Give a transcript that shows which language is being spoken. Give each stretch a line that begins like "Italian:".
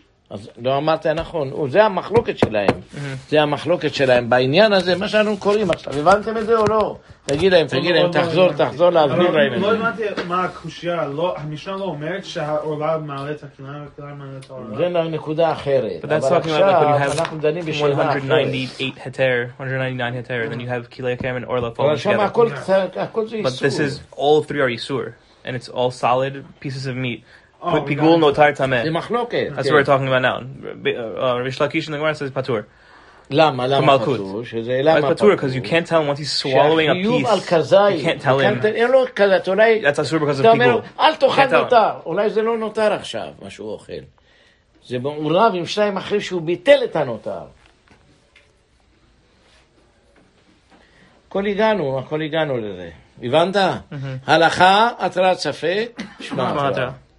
Hebrew: אז לא אמרת נכון, וזה המחלוקת שלהם, זה המחלוקת שלהם, בעניין הזה, מה שאנו קוראים עכשיו, הבנתם את זה או לא? תגיד להם, תחזור להזמין להם. לא הבנתי מה הקושייה, המשנה לא אומרת שהעולה מעלה את הכלל, זה לא נקודה אחרת, אבל עכשיו אנחנו דנים בשאלה אחרת.
English: 198 heter, then you have kilei kerem and orla falling
Hebrew: together. אבל שם הכל זה איסור.
English: But this is, all three are איסור, and it's all solid pieces of meat. Oh, pigul notar tamei.
Hebrew: זה מחלוקת.
English: That's what we're talking about now. Rish Lakish in the Gemara says patur.
Hebrew: למה? למה patur? שזה למה patur?
English: Patur, because you can't tell him once he's swallowing a piece. You can't tell him.
Hebrew: אין לו כזית, אולי...
English: That's asur because of pigul.
Hebrew: אל תאכל נותר. אולי זה לא נותר עכשיו, מה שהוא אוכל. זה מעורב עם שניים אחרים שהוא ביטל את הנותר. הכל הגענו לזה. הבנת? הלכה, התרת ספק, שמע התרת.